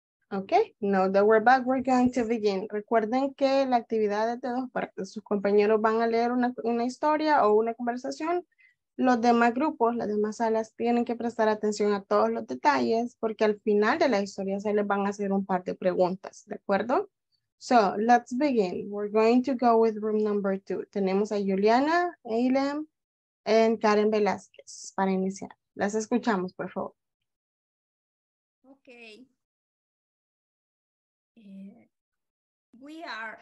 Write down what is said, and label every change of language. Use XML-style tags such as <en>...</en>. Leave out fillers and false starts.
<en>Okay, now that we're back, we're going to begin.</en> <es>Recuerden que la actividad es de dos partes. Sus compañeros van a leer una historia o una conversación. Los demás grupos, las demás salas, tienen que prestar atención a todos los detalles porque al final de la historia se les van a hacer un par de preguntas, ¿de acuerdo?</es> <en>So, let's begin. We're going to go with room number two.</en> <es>Tenemos a Juliana, Aylem, and Karen Velázquez para iniciar. Las escuchamos, por favor.</es> <en>Okay. We are.</en>